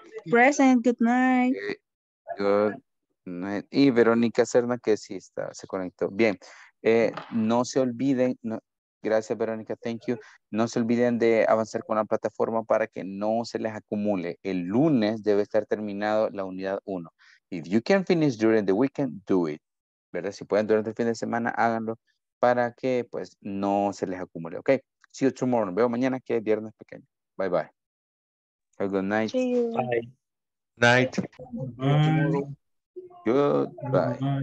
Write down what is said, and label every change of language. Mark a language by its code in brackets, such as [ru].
[en] Present, good night. Okay. Good night. [es] Y Verónica Cerna, que sí está, se conectó. Bien. No se olviden, no, gracias Verónica, [en] thank you. [es] No se olviden de avanzar con la plataforma para que no se les acumule. El lunes debe estar terminado la unidad 1. [en] If you can finish during the weekend, do it. [es] ¿Verdad? Si pueden durante el fin de semana, háganlo para que pues no se les acumule. [en] Ok, see you tomorrow. [es] Nos vemos mañana que es viernes pequeño. [en] Bye bye. Have a good night. Bye. Night. Bye. Bye. Goodbye.